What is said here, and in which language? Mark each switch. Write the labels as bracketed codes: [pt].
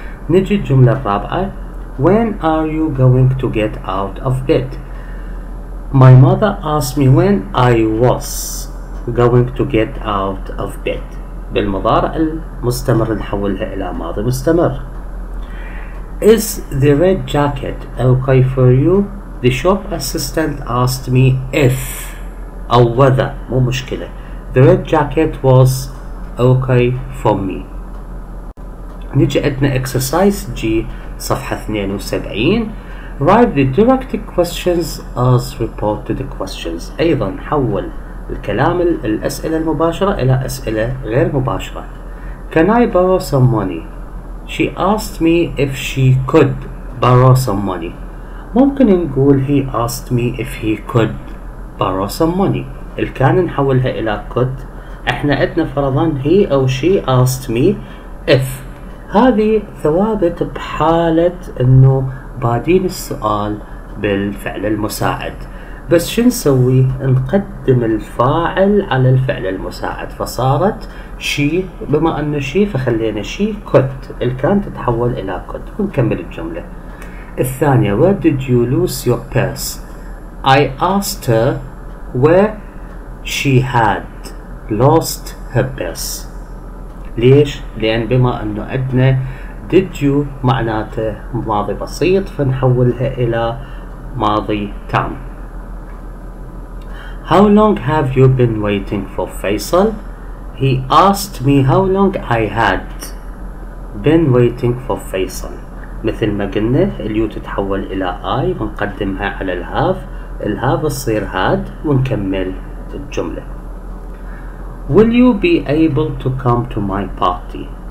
[ar] نجي الجملة الرابعة [en] When are you going to get out of bed? My mother asked me when I was going to get out of bed. [ar] بالمضارع المستمر نحولها إلى ماضي مستمر. [en] Is the red jacket okay for you? The shop assistant asked me if or whether. [ar] مو مشكلة. [en] The red jacket was okay for me. [ar] نجي عندنا exercise G صفحة 72. [en] Write the direct questions as reported questions. [ar] أيضا حول الكلام الأسئلة المباشرة إلى أسئلة غير مباشرة. [en] Can I borrow some money? She asked me if she could borrow some money. [ar] ممكن نقول [en] he asked me if he could borrow some money. [ar] الكان نحولها إلى could. إحنا عندنا فرضا he أو [en] she asked me if. [ar] هذه ثوابت بحالة إنه بعدين السؤال بالفعل المساعد بس شو نسوي نقدم الفاعل على الفعل المساعد فصارت شي بما أنه شي فخلينا شي كنت الكان تتحول إلى كنت ونكمل الجملة الثانية [en] Where did you lose your purse? I asked her where she had lost her purse. [ar] ليش؟ لأن بما أنه عندنا Did you معناته ماضي بسيط فنحولها إلى ماضي تام. [en] How long have you been waiting for Faisal? He asked me how long I had been waiting for Faisal. [ar] مثل ما قلنا اليو تتحول إلى I ونقدمها على الهاف. الهاف الصير had ونكمل الجملة. [en] Will you be able to come to my party?